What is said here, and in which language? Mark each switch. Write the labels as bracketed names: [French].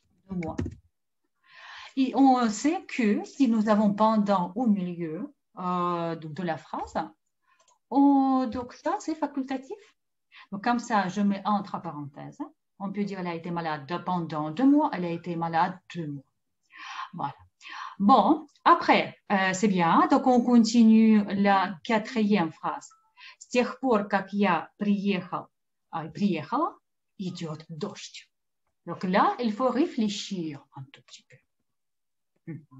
[French] 2 mois. Et on sait que si nous avons pendant au milieu de la phrase, donc ça, c'est facultatif. Donc, comme ça, je mets entre parenthèses. On peut dire elle a été malade pendant 2 mois, elle a été malade 2 mois. Voilà. Bon, après, c'est bien. Donc, on continue la quatrième phrase. [Russian] С тех пор, как я приехала, идет дождь. [French] Donc là, il faut réfléchir un tout petit peu.